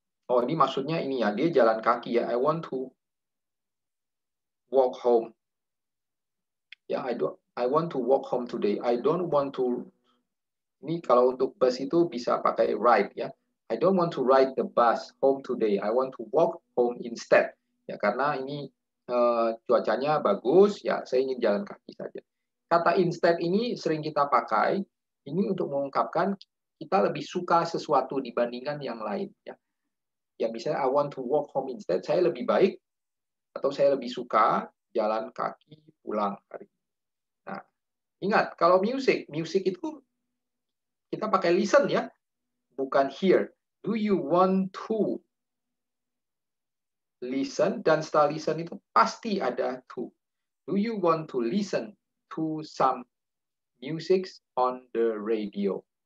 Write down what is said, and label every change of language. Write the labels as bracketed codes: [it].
[id] Oh, ini maksudnya ini ya, dia jalan kaki ya. [en] I want to walk home. Ya, yeah, I want to walk home today. I don't want to. [id] Ini kalau untuk bus itu bisa pakai ride ya. [en] I don't want to ride the bus home today. I want to walk home instead. [id] Ya, karena ini cuacanya bagus, ya saya ingin jalan kaki saja. Kata instead ini sering kita pakai, ini untuk mengungkapkan kita lebih suka sesuatu dibandingkan yang lain. Ya, ya misalnya [en] I want to walk home instead, [id] saya lebih baik atau saya lebih suka jalan kaki pulang hari ini. Nah, ingat, kalau music itu kita pakai listen ya, bukan hear. [en] Do you want to listen? [id] Dan setelah listen itu pasti ada to. [en] Do you want to listen to some music on the radio?